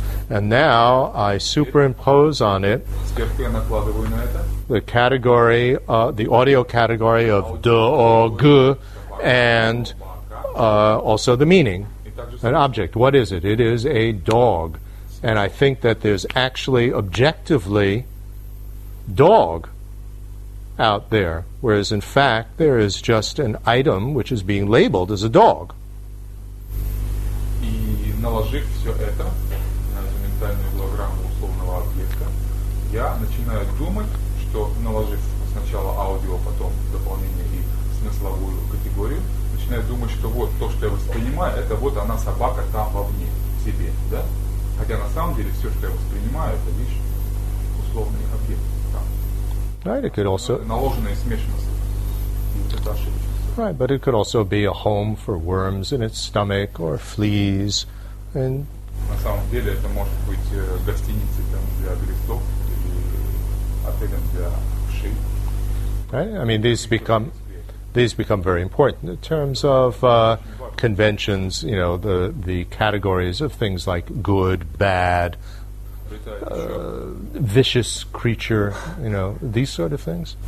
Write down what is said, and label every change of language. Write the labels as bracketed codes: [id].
[en] And now I superimpose on it the category, the audio category of D or G and also the meaning, an object. What is it? It is a dog. And I think that there's actually objectively dog out there, whereas in fact there is just an item which is being labeled as a dog. [ru] И наложив все это на ментальную голограмму условного объекта, я начинаю думать, что наложив сначала аудио, потом дополнение и смысловую категорию, начинаю думать, что вот то, что я воспринимаю, это вот она собака там вовне, в себе, да? Хотя на самом деле все, что я воспринимаю, это лишь условный объект там. [en] Right, it could also... [ru] Наложенная смешанность. И вот это ошибочно. [en] Right, but it could also be a home for worms in its stomach, or fleas, and... [ru] На самом деле это может быть гостиницей там для глистов, или отелем для вшей. [en] Right, I mean, these become very important in terms of conventions, you know, the categories of things like good, bad, vicious creature, you know, these sort of things.